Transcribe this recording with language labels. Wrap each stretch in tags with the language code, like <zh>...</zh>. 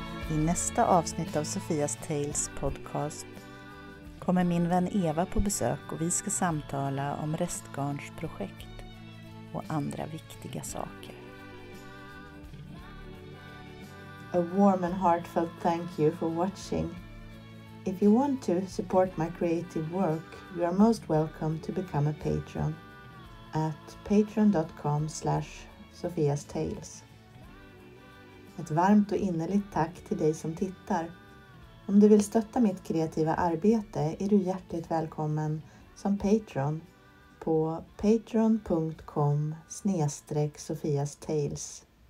<sv>I nästa avsnitt av Sofias Tales podcast kommer min vän Eva på besök och vi ska samtala om restgarnsprojekt och andra viktiga saker.</sv> <en>A warm and heartfelt thank you for watching. If you want to support my creative work, you are most welcome to become a patron at patreon.com/sofiastales.</en> <sv>Ett varmt och innerligt tack till dig som tittar. Om du vill stötta mitt kreativa arbete är du hjärtligt välkommen som patron på patreon.com/sofiastales.</sv>